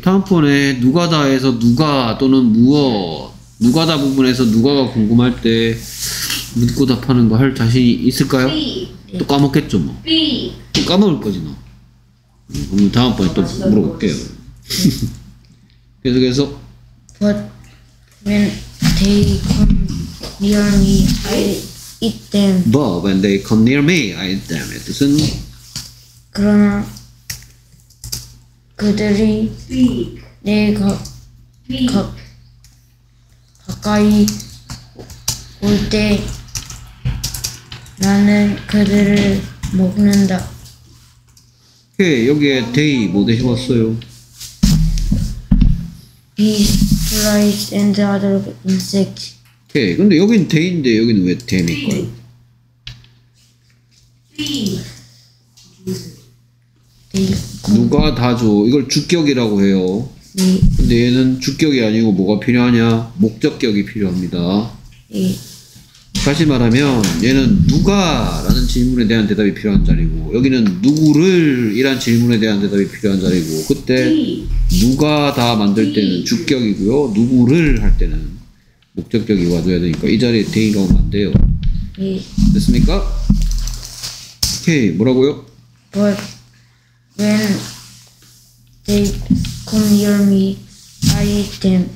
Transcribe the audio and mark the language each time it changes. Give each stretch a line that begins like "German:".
Korean: 다음 번에 누가 다 해서 누가 또는 무엇 누가 다 부분에서 누가가 궁금할 때 묻고 답하는 거 할 자신이 있을까요? 또 까먹겠죠 뭐. 또 까먹을 거지 너. 그럼 다음 번에 또 물어볼게요. 계속해서
English: But when they come near me, I eat them. But when they come near me, I eat them.
Korean: 뜻은 그러나 그들이 내 가까이 올 때 나는 그들을 먹는다. 오케이, 여기에 they 뭐 되셨어요?
English: Bees, flies, and other insects.
Korean: 오케이, 근데 여긴 they인데 여기는 왜 them일까요?
English: They.
Korean: 누가 다 줘? 이걸 주격이라고 해요. 근데 얘는 주격이 아니고 뭐가 필요하냐? 목적격이 필요합니다. 네. 다시 말하면 얘는 누가라는 질문에 대한 대답이 필요한 자리고 여기는 누구를이란 질문에 대한 대답이 필요한 자리고 그때 누가 다 만들 때는 주격이고요. 누구를 할 때는 목적격이 와줘야 되니까 이 자리에 대인가 오면 안 돼요. 네. 됐습니까? 오케이. 뭐라고요?
English: But when they come near me, I eat them.